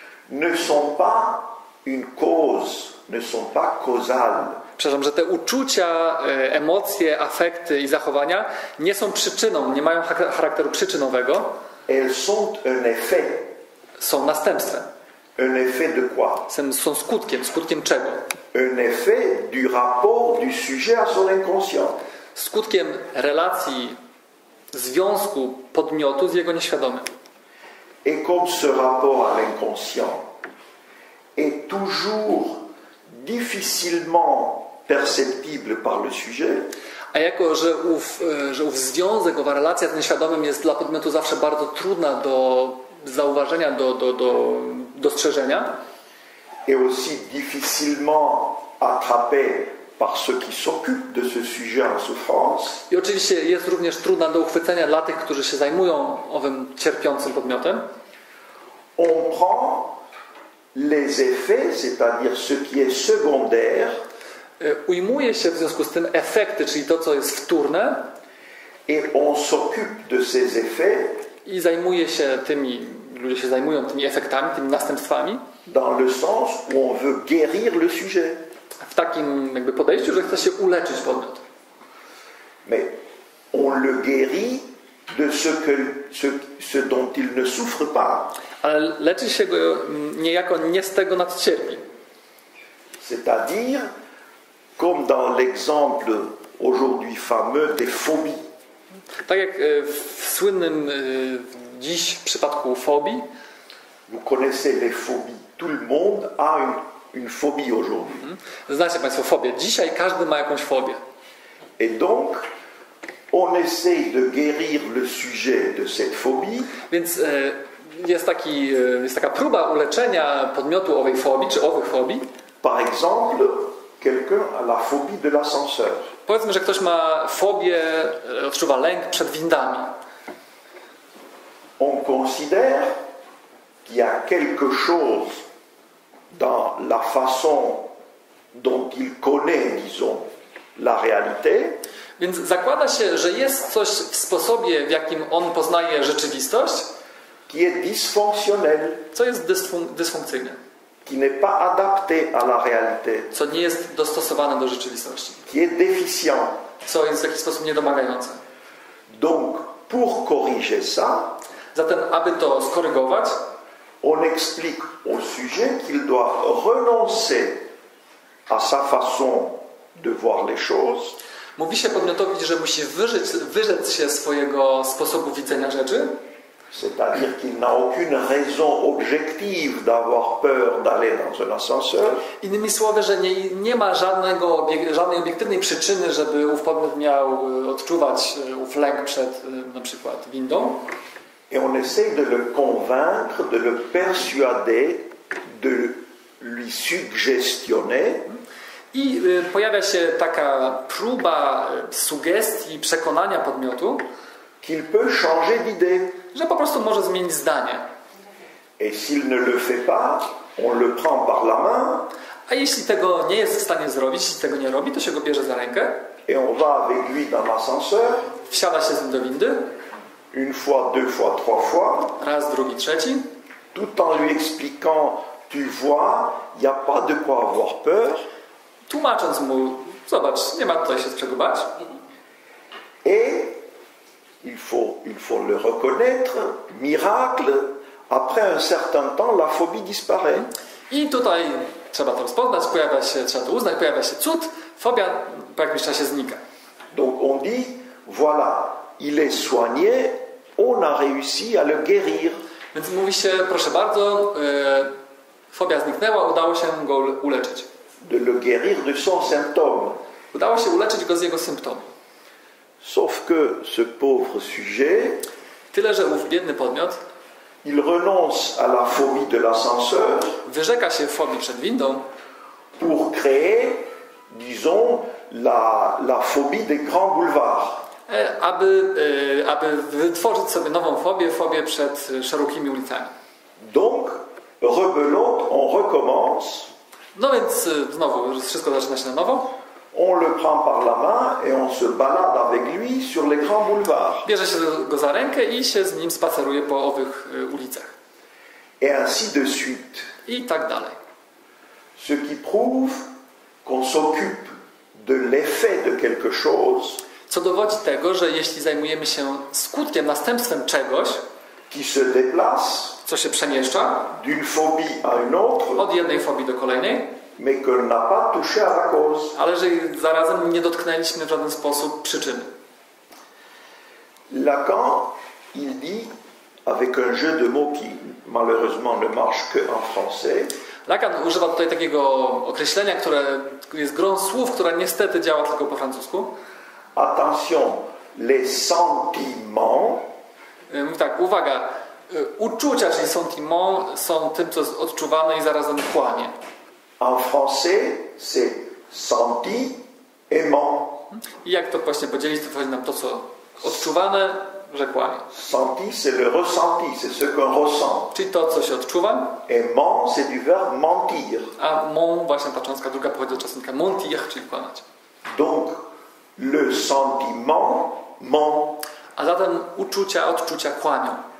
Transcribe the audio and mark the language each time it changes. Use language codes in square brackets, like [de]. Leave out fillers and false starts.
[fr] ne sont pas une cause, ne sont pas causales. [pl] Przepraszam, że te uczucia, emocje, afekty i zachowania nie są przyczyną, nie mają charakteru przyczynowego. [fr] Elles sont un effet. [pl] Są następstwem. [fr] Un effet de quoi? [pl] Są skutkiem. Skutkiem czego? [fr] Un effet du rapport du sujet à son inconscient. [pl] Skutkiem relacji, związku podmiotu z jego nieświadomym. [fr] Et comme ce rapport à l'inconscient est toujours difficilement perceptible par le sujet. [pl] A jako, że ów związek, owa relacja z nieświadomym jest dla podmiotu zawsze bardzo trudna do zauważenia, do dostrzeżenia. [fr] Et aussi difficilement attrapé par ceux qui s'occupent de ce sujet en souffrance. [pl] I oczywiście jest również trudna do uchwycenia dla tych, którzy się zajmują owym cierpiącym podmiotem. [fr] On prend les effets, c'est-à-dire ce qui est secondaire, [pl] ujmuje się w związku z tym efekty, czyli to, co jest wtórne, [fr] et on s'occupe de ces effets, [pl] i zajmuje się tymi, ludzie się zajmują tymi efektami, tymi następstwami, [fr] dans le sens où on veut guérir le sujet. [pl] W takim jakby podejściu, że chce się uleczyć podmiot. [fr] Mais on le guérit de ce dont il ne souffre pas. [pl] Ale leczy się go niejako nie z tego, na co cierpi. [fr] C'est-à-dire, comme dans l'exemple aujourd'hui fameux des phobies. [pl] Tak jak w słynnym dziś przypadku fobii. [fr] Vous connaissez les phobies. Tout le monde a une phobie aujourd'hui. [pl] Znacie państwo fobię. Dzisiaj każdy ma jakąś fobię. [fr] Et donc, on essaye de guérir le sujet de cette phobie. [pl] Więc jest taka próba uleczenia podmiotu owej fobii czy owych fobii. [fr] Par exemple, quelqu'un a la phobie de l'ascenseur. [pl] Powiedzmy, że ktoś ma fobię, odczuwa lęk przed windami. [fr] On considère qu'il y a quelque chose dans la façon dont il connaît, disons, la réalité. [pl] Więc zakłada się, że jest coś w sposobie, w jakim on poznaje rzeczywistość, [fr] qui est dysfonctionnel, [pl] co jest dysfunkcyjne, [fr] qui n'est pas adapté à la réalité, [pl] co nie jest dostosowane do rzeczywistości, [fr] qui est déficient, [pl] co jest w jakiś sposób niedomagające. [fr] Donc, pour corriger ça, [pl] zatem, aby to skorygować, [fr] on explique au sujet qu'il doit renoncer à sa façon de voir les choses. [pl] Mówi się podmiotowi, że musi wyrzec się swojego sposobu widzenia rzeczy. [fr] C'est-à-dire qu'il n'a aucune raison objective d'avoir peur d'aller dans un ascenseur. [pl] Innymi słowy, że nie ma żadnej obiektywnej przyczyny, żeby ów podmiot miał odczuwać ów lęk przed na przykład windą. [fr] Et on essaie de le convaincre, de le persuader, de lui suggestionner. [pl] I pojawia się taka próba sugestii, przekonania podmiotu, [fr] qu'il peut changer d'idée, [pl] że po prostu może zmienić zdanie. [fr] Et s'il ne le fait pas, on le prend par la main. [pl] A jeśli tego nie jest w stanie zrobić, jeśli tego nie robi, to się go bierze za rękę. [fr] Et on va avec lui dans l'ascenseur. [pl] Wsiada się z nim do windy. [fr] Une fois, deux fois, trois fois. [pl] Raz, drugi, trzeci. [fr] Tout en lui expliquant, tu vois, il y a pas de quoi avoir peur. [pl] Tłumacząc mu, zobacz, nie ma tutaj się z czego bać. [fr] Et il faut le reconnaître, miracle, après un certain temps, la phobie disparaît. [pl] I tutaj trzeba to rozpoznać, pojawia się cud, fobia po jakimś czasie znika. [fr] Donc on dit, voilà, il est soigné, on a réussi à le guérir. [pl] Więc mówi się, proszę bardzo, fobia zniknęła, udało się go uleczyć. [fr] De le guérir de son symptôme. [pl] Udało się uleczyć go z jego symptomu. [fr] Sauf que ce pauvre sujet, [pl] tyle, że ów biedny podmiot, [fr] il renonce à la phobie de l'ascenseur, [pl] wyrzeka się fobii przed windą, [fr] pour créer, disons, la phobie des grands boulevards, [pl] aby wytworzyć sobie nową fobię, fobię przed szerokimi ulicami. [fr] Donc, rebelote, on recommence. [pl] No więc znowu, wszystko zaczyna się na nowo. [fr] On le prend par la main et on se balade avec lui sur les grands boulevards. [pl] Bierze się go za rękę i się z nim spaceruje po owych ulicach. [fr] Et ainsi de suite. [pl] I tak dalej. [fr] Ce qui prouve qu'on s'occupe de l'effet de quelque chose. [pl] Co dowodzi tego, że jeśli zajmujemy się skutkiem, następstwem czegoś, [fr] qui se déplace, [pl] co się przemieszcza, [fr] d'une phobie à une autre, [pl] od jednej fobii do kolejnej, [fr] mais que n'a pas touché à la cause. [pl] Ale że zarazem nie dotknęliśmy w żaden sposób przyczyny. [fr] Lacan, il dit, avec un jeu de mots qui malheureusement ne marche que en français, [pl] Lacan używa tutaj takiego określenia, które jest grą słów, która niestety działa tylko po francusku. [fr] Attention, les sentiments. [pl] Mówi tak, uwaga, uczucia, czyli sentiment, są tym, co jest odczuwane i zarazem kłanie. [fr] En français, c'est senti, aimant. [pl] I jak to właśnie podzielić, to chodzi nam to, co odczuwane, że kłanie. [fr] Senti, c'est le ressenti, c'est ce qu'on ressent. [pl] Czyli to, co się odczuwa. [fr] Aimant, c'est du verbe mentir. [pl] A mon, właśnie ta cząstka druga pochodzi od czasnika mentir, czyli kłamać. [fr] Donc, le sentiment ment. [pl] A zatem uczucia, odczucia kłamią.